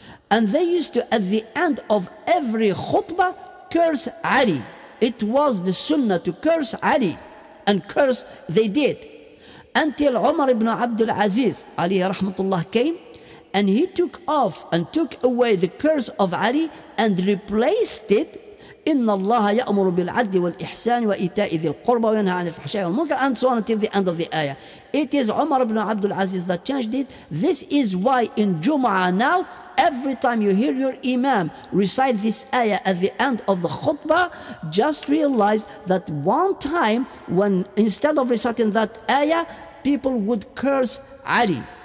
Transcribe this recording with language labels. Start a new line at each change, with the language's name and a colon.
English: And they used to, at the end of every khutbah, curse Ali. It was the Sunnah to curse Ali, and curse they did. Until Umar ibn Abdul Aziz, Ali rahmatullah, came and he took off and took away the curse of Ali and replaced it.
Arabic: إن الله يأمر بالعدل والإحسان وإيتاء ذي القربى وينهى عن الفحشاء والمنكر and so on until the end of the ayah.
English: It is Umar ibn Abdul Aziz that changed it. This is why in Jumu'ah now, every time you hear your imam recite this ayah at the end of the khutbah, just realize that one time when instead of reciting that ayah, people would curse Ali.